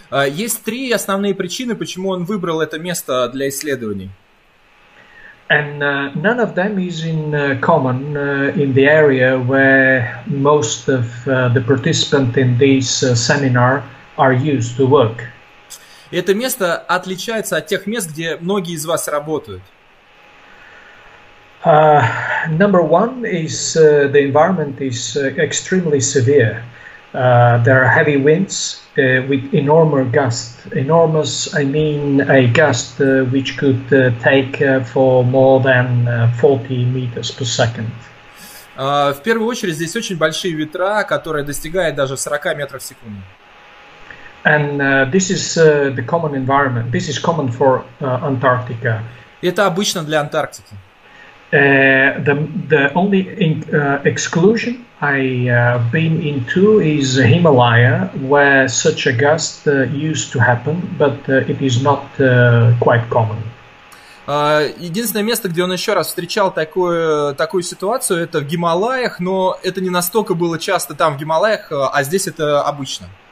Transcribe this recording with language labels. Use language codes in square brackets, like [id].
[ru] Есть три основные причины, почему он выбрал это место для исследований. [en] And none of them is in common in the area where most of the participants in this seminar are used to work. [ru] Это место отличается от тех мест, где многие из вас работают. [en] Number one is the environment is extremely severe. There are heavy winds with enormous gusts. Enormous, I mean, a gust which could take for more than 40 meters per second. [ru] В первую очередь, здесь очень большие ветра, которые достигают даже 40 метров в секунду. [en] And this is the common environment. This is common for Antarctica. [ru] Это обычно для Антарктики. [en] The only exclusion I've been into is Himalaya, where such a gust used to happen, but it is not quite common. [ru] Единственное место, где он еще раз встречал такую ситуацию, это в Гималаях, но это не настолько было часто там, в Гималаях, а здесь это обычно.